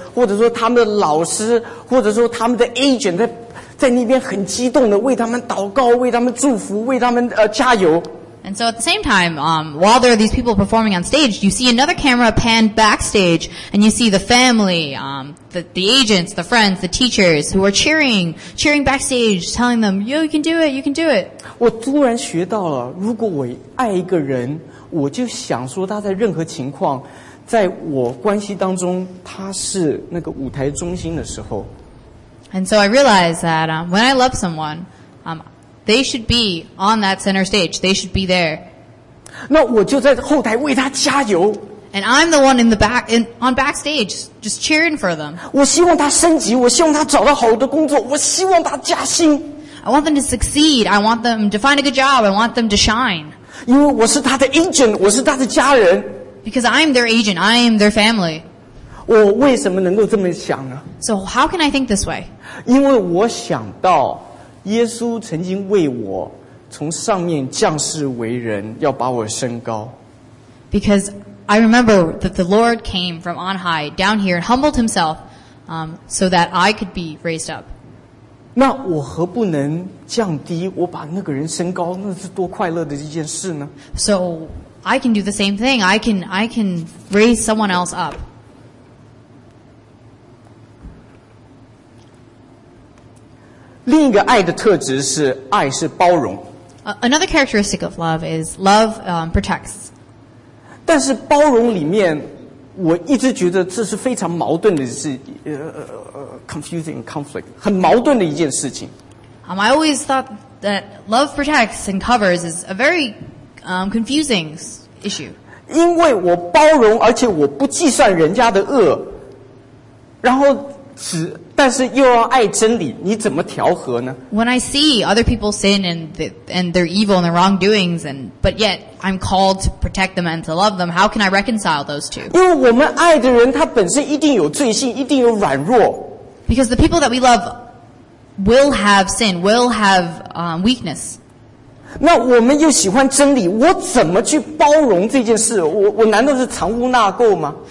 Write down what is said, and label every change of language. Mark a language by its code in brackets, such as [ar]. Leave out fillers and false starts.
[zh] 或者说他们的老师或者说他们的 agent 在那边很激动的为他们祷告为他们祝福为他们加油 [en] And so at the same time while there are these people performing on stage you see another camera pan backstage and you see the family the agents the friends the teachers who are cheering backstage telling them yo you can do it [zh] 我突然学到了如果我爱一个人我就想说他在任何情况在我关系当中他是那个舞台中心的时候 [en] And so I realized that when I love someone they should be on that center stage they should be there [zh] 那我就在后台为他加油 [en] And I'm the one on backstage just cheering for them [zh] 我希望他升级我希望他找到好的工作我希望他加薪 [en] I want them to succeed I want them to find a good job I want them to shine [zh] 因为我是他的 agent 我是他的家人 [en] Because I'm their agent, I'm their family. [zh] 我为什么能够这么想呢 [en] So how can I think this way? [zh] 因为我想到耶稣曾经为我从上面降世为人要把我升高 [en] Because I remember that the Lord came from on high down here and humbled himself so that I could be raised up. [zh] 那我何不能降低我把那个人升高那是多快乐的一件事呢 [en] So... I can do the same thing. I can raise someone else up. [zh] 另一个爱的特质是爱是包容。 [en] Another characteristic of love is love protects. [zh] 但是包容里面我一直觉得这是非常矛盾的是 [en] confusing conflict, [zh] 很矛盾的一件事情。 [en] I always thought that love protects and covers is a very confusing issue. [zh] 因为我包容而且我不计算人家的恶，然后只但是又要爱真理，你怎么调和呢？ [en] When I see other people sin and their evil and their wrongdoings, and but yet I'm called to protect them and to love them, how can I reconcile those two? [zh] 因为我们爱的人，他本身一定有罪性，一定有软弱。 [en] Because the people that we love will have sin, will have weakness. [zh] 那我们又喜欢真理，我怎么去包容这件事？我难道是藏污纳垢吗？